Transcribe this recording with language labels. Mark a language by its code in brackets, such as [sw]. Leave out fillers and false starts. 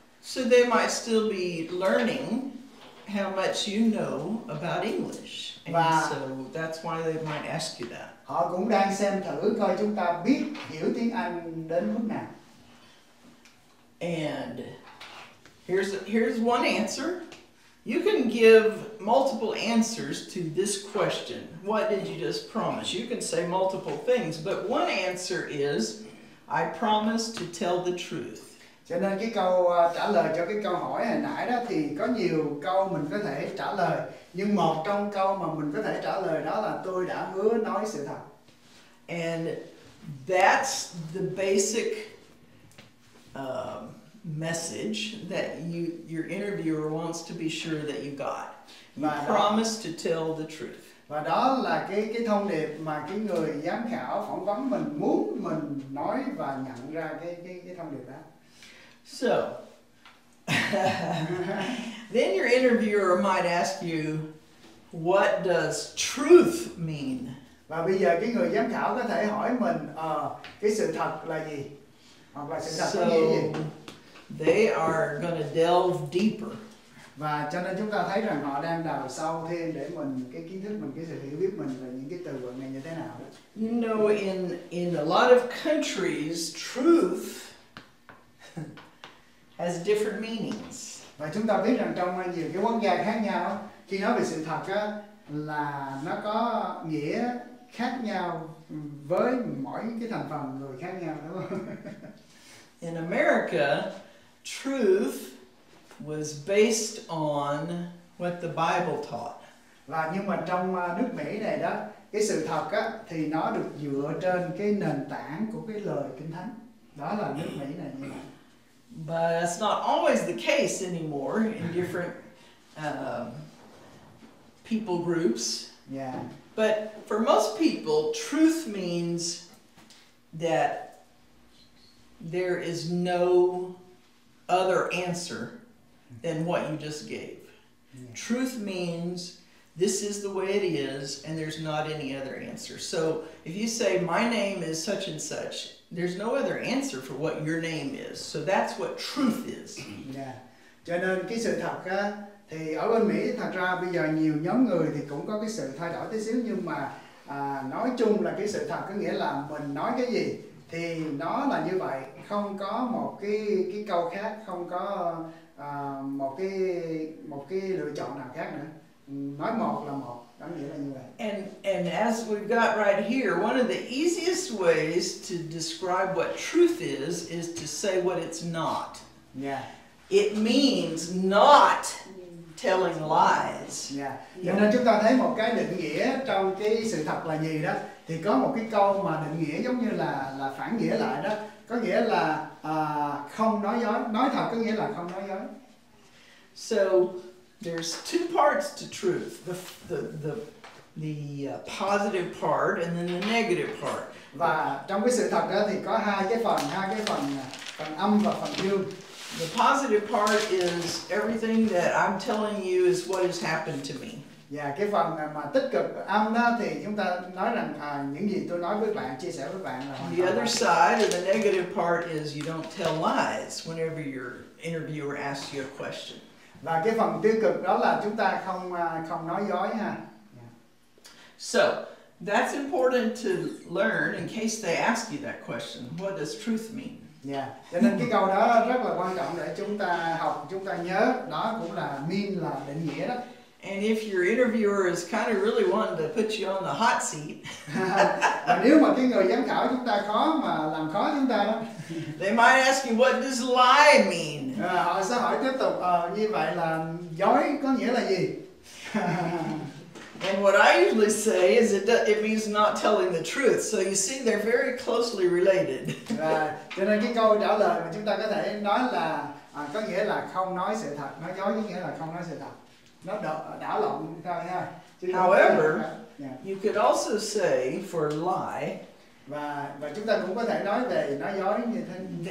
[en] So they might still be learning how much you know about English. And [vi] và [en] so that's why they might ask you that. [vi] Họ cũng đang xem thử coi chúng ta biết hiểu tiếng Anh đến mức nào. [en] And here's one answer. You can give multiple answers to this question. What did you just promise? You can say multiple things, but one answer is I promise to tell the truth. [vi] Cho nên cái câu trả lời cho cái câu hỏi hồi nãy đó thì có nhiều câu mình có thể trả lời. Nhưng một trong câu mà mình có thể trả lời đó là tôi đã hứa nói sự thật. [en] And that's the basic message that your interviewer wants to be sure that you got. You promise to tell the truth. [vi] Và đó là cái thông điệp mà cái người giám khảo phỏng vấn mình muốn mình nói và nhận ra cái thông điệp đó. [en] So, then your interviewer might ask you, what does truth mean? [vi] Và bây giờ cái người giám khảo có thể hỏi mình, cái sự thật là gì? Hoặc là sự thật [en] so, [vi] là nghĩa gì? [en] They are going to delve deeper. [vi] Và cho nên chúng ta thấy rằng họ đang đào sâu thêm để mình, cái kiến thức mình, cái sự hiểu biết mình về những cái từ vựng này như thế nào. [en] You know, in a lot of countries, truth has different meanings. [vi] Và chúng ta biết rằng trong nhiều cái quốc gia khác nhau, khi nói về sự thật á, là nó có nghĩa khác nhau với mỗi cái thành phần người khác nhau, đúng không? [en] In America, truth was based on what the Bible taught. [vi] Và nhưng mà trong nước Mỹ này đó, cái sự thật á, thì nó được dựa trên cái nền tảng của cái lời Kinh Thánh. Đó là nước Mỹ này như vậy. [en] But that's not always the case anymore in different people groups. Yeah. But for most people, truth means that there is no other answer than what you just gave. Yeah. Truth means this is the way it is and there's not any other answer. So if you say, my name is such and such, there's no other answer for what your name is. So that's what truth is. Yeah. [vi] Cho nên cái sự thật á, thì ở bên Mỹ thật ra bây giờ nhiều nhóm người thì cũng có cái sự thay đổi tí xíu, nhưng mà nói chung là cái sự thật có nghĩa là mình nói cái gì thì nó là như vậy, không có một cái câu khác, không có một cái lựa chọn nào khác nữa. Nói một là một. [en] And as we've got right here, one of the easiest ways to describe what truth is to say what it's not. Yeah. It means not telling lies. Yeah. [vi] Cho nên chúng ta thấy một cái định nghĩa trong cái sự thật là gì đó, thì có một cái câu mà định nghĩa giống như là phản nghĩa lại đó, có nghĩa là không nói dối. Nói thật có nghĩa là không nói dối. [en] So there's two parts to truth. The the positive part and then the negative part. [vi] Và trong cái sự thật đó thì có hai cái phần âm và phần dương. [en] The positive part is everything that I'm telling you is what has happened to me. [vi] Yeah, cái phần mà tích cực âm đó thì chúng ta nói rằng những gì tôi nói với bạn, chia sẻ với bạn là. [en] The other side of the negative part is you don't tell lies whenever your interviewer asks you a question. [vi] Và cái phần tiêu cực đó là chúng ta không nói dối ha. [en] So that's important to learn in case they ask you that question. What does truth mean? Yeah. [vi] Cho nên cái câu đó rất là quan trọng để chúng ta học, chúng ta nhớ. Đó cũng là mean, là định nghĩa đó. [en] And if your interviewer is kind of really wanting to put you on the hot seat, [vi] nếu mà cái người giám khảo chúng ta khó mà làm khó chúng ta đó, [en] they might ask you what does lie mean. [vi] Họ sẽ hỏi tiếp tục như vậy là dối có nghĩa là gì? [en] And what I usually say is it means not telling the truth. So you see, they're very closely related. [vi] Cho nên cái câu trả lời mà chúng ta có thể nói là có nghĩa là không nói sự thật, nói dối có nghĩa là không nói sự thật. Nó đảo lộn thôi ha. [en] However, you could also say for lie. [vi] Và chúng ta cũng có thể nói về nói dối như thế.